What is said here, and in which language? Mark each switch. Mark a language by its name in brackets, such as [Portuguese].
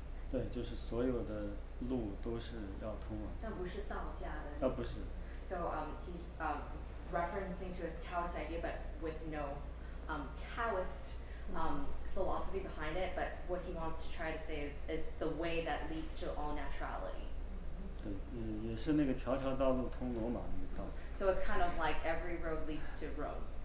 [Chinese] 对，就是所有的路都是要通往。但不是道家的。啊，不是。 [English] So he's referencing to a Taoist idea, but with no Taoist philosophy behind it. But what he wants to try to say is the way that leads to all naturality. [Chinese] 对，也是那个条条道路通罗马那个道。So [English] it's kind of like every road leads to Rome.